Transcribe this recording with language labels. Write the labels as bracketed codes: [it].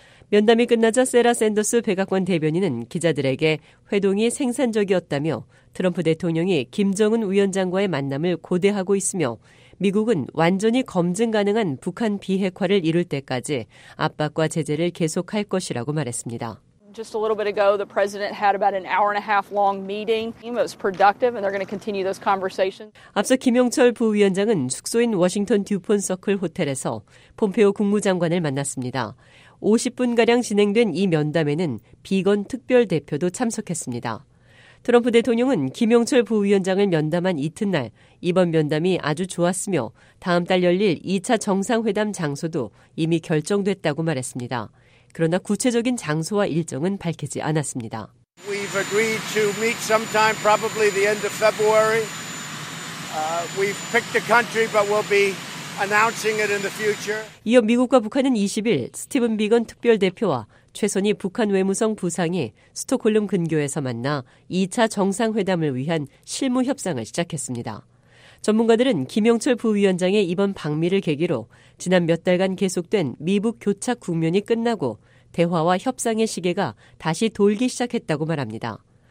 [ko] 면담이 끝나자 세라 샌더스 백악관 대변인은 기자들에게 회동이 생산적이었다며 트럼프 대통령이 김정은 위원장과의 만남을 고대하고 있으며 미국은 완전히 검증 가능한 북한 비핵화를 이룰 때까지 압박과 제재를 계속할 것이라고 말했습니다. [en] Just a little bit ago, the president had about an hour and a half long meeting. It was productive, and they're going to continue those conversations. [ko] 앞서 김용철 부위원장은 숙소인 워싱턴 듀폰 서클 호텔에서 폼페오 국무장관을 만났습니다. 50분가량 진행된 이 면담에는 비건 특별대표도 참석했습니다. 트럼프 대통령은 김영철 부위원장을 면담한 이튿날 이번 면담이 아주 좋았으며 다음 달 열릴 2차 정상회담 장소도 이미 결정됐다고 말했습니다. 그러나 구체적인 장소와 일정은 밝히지 않았습니다. [en] We've agreed to meet sometime probably the end of February. We've picked a country but we'll be announcing it in the future. [ko] 이어 미국과 북한은 20일 스티븐 비건 특별대표와 최선희 북한 외무성 부상이 스톡홀름 근교에서 만나 2차 정상회담을 위한 실무 협상을 시작했습니다. 전문가들은 김영철 부위원장의 이번 방미를 계기로 지난 몇 달간 계속된 미북 교착 국면이 끝나고 대화와 협상의 시계가 다시 돌기 시작했다고 말합니다.